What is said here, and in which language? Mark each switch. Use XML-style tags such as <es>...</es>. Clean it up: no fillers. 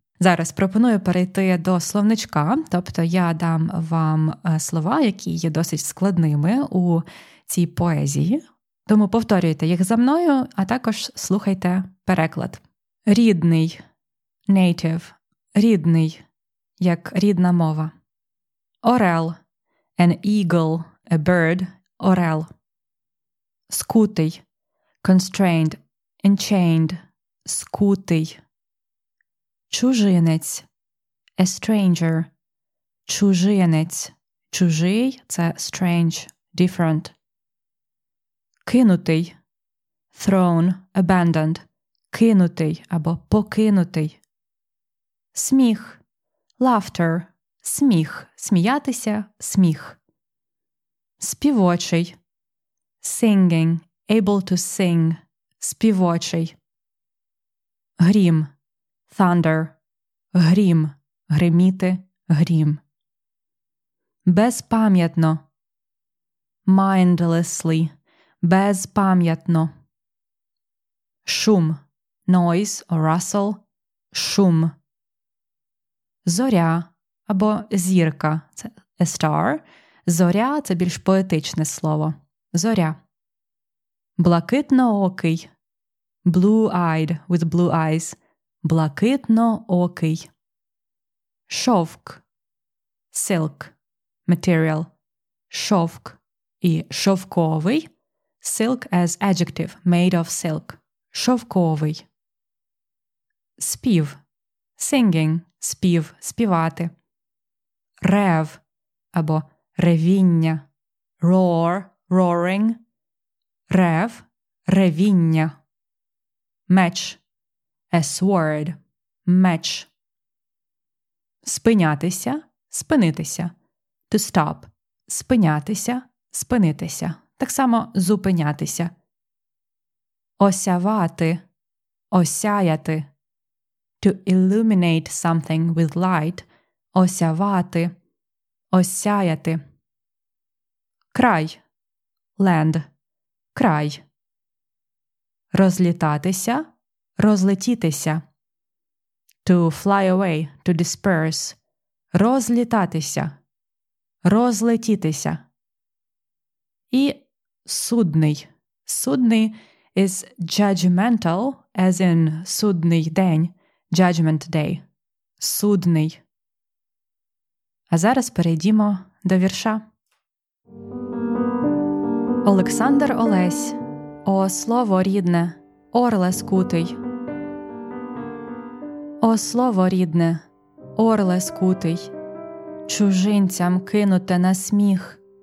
<uk>Зараз пропоную перейти до словничка, тобто я дам вам слова, які є досить складними у цій поезії. Тому повторюйте їх за мною, а також слухайте переклад. Рідний, native, рідний, як рідна мова.</uk> <en>Орел, an eagle, a bird, орел.</en> <uk>Скутий,</uk> <en>constrained, enchained,</en> <uk>скутий. Чужинець,</uk> <en>a stranger,</en> <uk>чужинець. Чужий – це</uk> <en>strange, different.</en> <uk>Кинутий,</uk> <en>thrown, abandoned,</en> <uk>кинутий або покинутий. Сміх, laughter, сміх, сміятися, сміх.</uk> <en>Співочий, singing, able to sing, співочий.</en> <uk>Грім, thunder, грім, гриміти, грім. Безпам'ятно, mindlessly, безпам'ятно.</uk> <en>Шум, noise or rustle, шум.</en> <uk>Зоря або зірка, це</uk> <en>a star.</en> <uk>Зоря – це більш поетичне слово. Зоря.</uk> <en>Блакитно-окий, blue-eyed, with blue eyes.</en> <uk>Блакитно-окий.</uk> <en>Шовк, silk, material.</en> <uk>Шовк і шовковий.</uk> <en>Silk as adjective, made of silk.</en> <uk>Шовковий. Спів, singing, спів, співати. Рев або ревіння.</uk> <en>Roar, roaring.</en> <uk>Рев, ревіння. Меч,</uk> <en>a sword,</en> <uk>меч. Спинятися, спинитися.</uk> <en>To stop,</en> <uk>спинятися, спинитися. Так само зупинятися. Осявати, осяяти.</uk> <en>To illuminate something with light.</en> <uk>Осявати, осяяти. Край, land, край. Розлітатися, розлетітися.</uk> <en>To fly away, to disperse.</en> <uk>Розлітатися, розлетітися. І судний.</uk> <en>Судний is judgmental, as in</en> <uk>судний день,</uk> <en>judgment day.</en> <uk>Судний. А зараз перейдімо до вірша. Олександр Олесь, о слово рідне, орле скутий. О слово рідне, орле скутий, чужинцям кинуте на сміх.</uk>